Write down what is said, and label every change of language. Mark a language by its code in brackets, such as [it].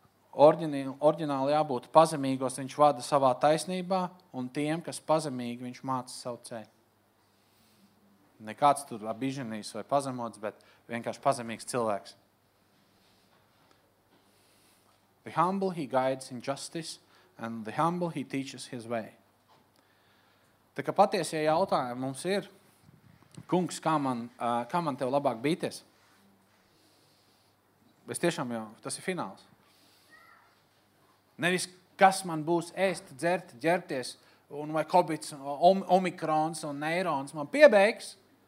[lv] Orģināli jābūt pazemīgos viņš vada savā taisnībā un tiem, kas pazemīgi viņš māca savu ceļu. Nekāds tur abiženīs vai pazemots, bet vienkārši pazemīgs cilvēks. [en] The humble he guides in justice. And the humble, he teaches his way. [lv] Tā kā patiesie jautājumi mums ir, kungs, kā man tev labāk bīties? Es tiešām jau, tas ir fināls. Nevis, kas man būs ēst, dzert, ģerties, un vai kobits, omikrons un neirons man piebeigs.